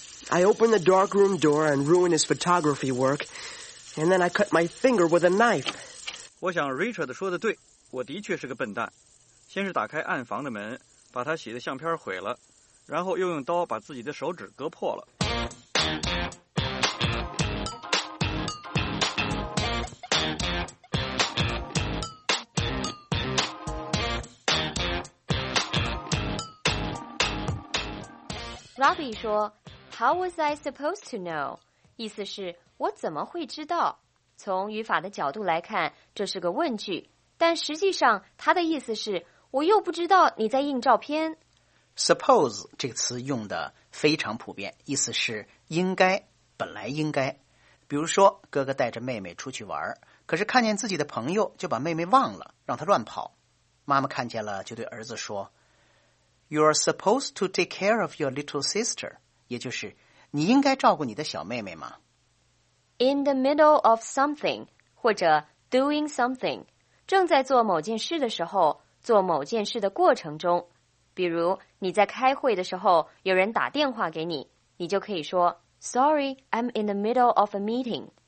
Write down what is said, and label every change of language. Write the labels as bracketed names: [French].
[English] I opened the darkroom door and ruined his photography work, and then I cut my finger with a knife. [Chinese] 我想 Richard 说的对，我的确是个笨蛋。先是打开暗房的门，把他洗的相片毁了，然后又用刀把自己的手指割破了。 [English] Robbie [Chinese] 说 [English] How was I supposed to know? [Chinese] 意思是我怎么会知道？从语法的角度来看，这是个问句，但实际上它的意思是我又不知道你在印照片。 Suppose 这个词用的非常普遍，意思是应该，本来应该。比如说哥哥带着妹妹出去玩，可是看见自己的朋友就把妹妹忘了，让她乱跑。妈妈看见了就对儿子说 [English] You're supposed to take care of your little sister. [Chinese] 也就是你应该照顾你的小妹妹吗？ [English] In the middle of something, [Chinese] 或者 [English] doing something, [Chinese] 正在做某件事的时候，做某件事的过程中，比如你在开会的时候，有人打电话给你，你就可以说 [English] Sorry, I'm in the middle of a meeting.